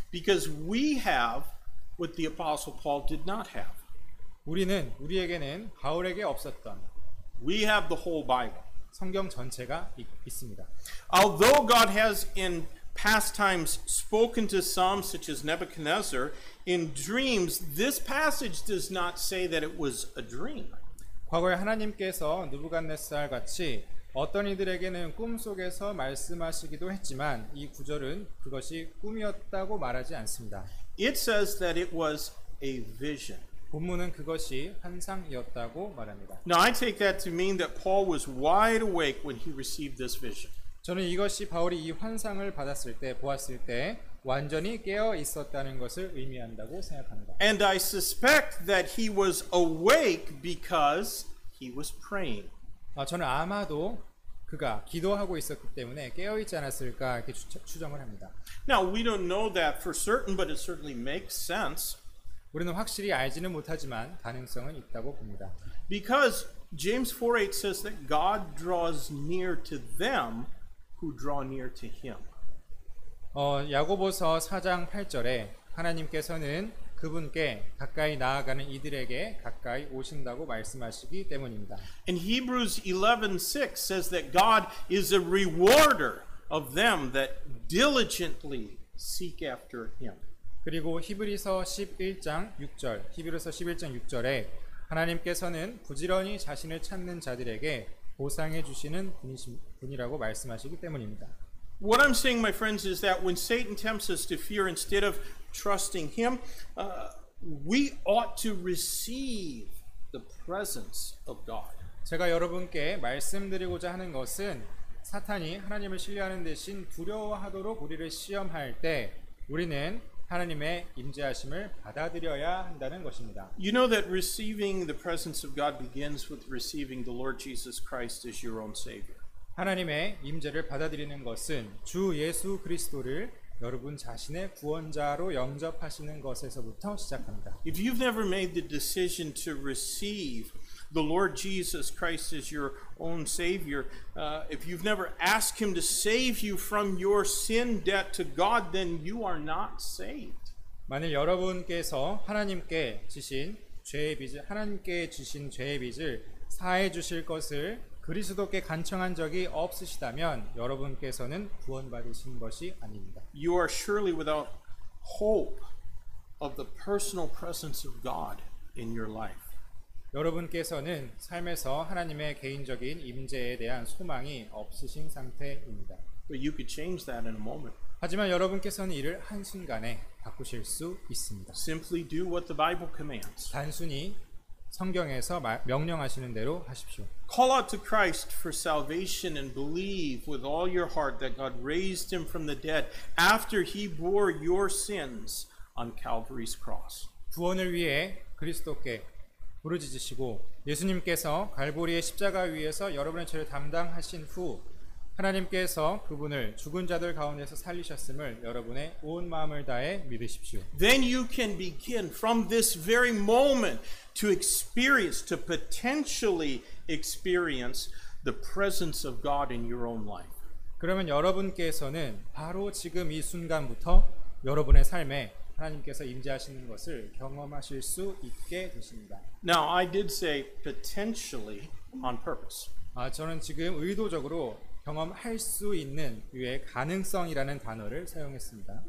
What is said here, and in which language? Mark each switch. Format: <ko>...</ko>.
<en>Because we have what the apostle Paul did not have.</en> <ko>우리에게는 바울에게 없었던</ko> <en>We have the whole Bible.</en> <ko>성경 전체가 있습니다.</ko> <en>Although God has in past times spoken to some such as Nebuchadnezzar in dreams, this passage does not say that it was a dream.</en> <ko>과거에 하나님께서 느부갓네살 같이 어떤 이들에게는 꿈속에서 말씀하시기도 했지만 이 구절은 그것이 꿈이었다고 말하지 않습니다.</ko> <en>It says that it was a vision.</en> <ko>본문은 그것이 환상이었다고 말합니다.</ko> <en>Now I take that to mean that Paul was wide awake when he received this vision.</en> <ko>저는 이것이 바울이 이 환상을 보았을 때 완전히 깨어 있었다는 것을 의미한다고 생각합니다.</ko> <en>And I suspect that he was awake because he was praying.</en> <ko>저는 아마도 그가 기도하고 있었기 때문에 깨어 있지 않았을까 이렇게 추정을 합니다.</ko> <en>Now we don't know that for certain, but it certainly makes sense.</en> <ko>우리는 확실히 알지는 못하지만 가능성은 있다고 봅니다.</ko> <en>Because James 4:8 says that God draws near to them who draw near to him.</en> <ko>야고보서 4장 8절에 하나님께서는 그분께 가까이 나아가는 이들에게 가까이 오신다고 말씀하시기 때문입니다.</ko> <en>And Hebrews 11:6 says that God is a rewarder of them that diligently seek after him.</en> <ko>그리고 히브리서 11장 6절에 하나님께서는 부지런히 자신을 찾는 자들에게 보상해 주시는 분이라고 말씀하시기 때문입니다.</ko> <en>What I'm saying, my friends, is that when Satan tempts us to fear instead of trusting him, we ought to receive the presence of God.</en> <ko>제가 여러분께 말씀드리고자 하는 것은 사탄이 하나님을 신뢰하는 대신 두려워하도록 우리를 시험할 때 우리는 하나님의 임재하심을 받아들여야 한다는 것입니다.</ko> <en>You know that receiving the presence of God begins with receiving the Lord Jesus Christ as your own Savior.</en> <ko>하나님의 임재를 받아들이는 것은 주 예수 그리스도를 여러분 자신의 구원자로 영접하시는 것에서부터 시작합니다.</ko> <en>If you've never made the decision to receive the Lord Jesus Christ as your own Savior, if you've never asked Him to save you from your sin debt to God, then you are not saved.</en> <ko>만일 여러분께서 하나님께 주신 죄의 빚을 사해 주실 것을 그리스도께 간청한 적이 없으시다면 여러분께서는 구원받으신 것이 아닙니다.</ko> <en>You are surely without hope of the personal presence of God in your life.</en> <ko>여러분께서는 삶에서 하나님의 개인적인 임재에 대한 소망이 없으신 상태입니다.</ko> <en>But you could change that in a moment.</en> <ko>하지만 여러분께서는 이를 한 순간에 바꾸실 수 있습니다.</ko> <en>Simply do what the Bible commands.</en> <ko>단순히 성경에서 명령하시는 대로 하십시오.</ko> <en>Call out to Christ for salvation and believe with all your heart that God raised him from the dead after he bore your sins on Calvary's cross.</en> <ko>구원을 위해 그리스도께 부르짖으시고 예수님께서 갈보리의 십자가 위에서 여러분의 죄를 담당하신 후 하나님께서 그분을 죽은 자들 가운데서 살리셨음을 여러분의 온 마음을 다해 믿으십시오.</ko> <en>Then you can begin from this very moment to experience, to potentially experience the presence of God in your own life.</en> <ko>그러면 여러분께서는 바로 지금 이 순간부터 여러분의 삶에 하나님께서 임재하시는 것을 경험하실 수 있게 되십니다.</ko> <en>Now I did say potentially on purpose.</en> <ko>아, 저는 지금 의도적으로 경험할 수 있는 위에 가능성이라는 단어를 사용했습니다.</ko>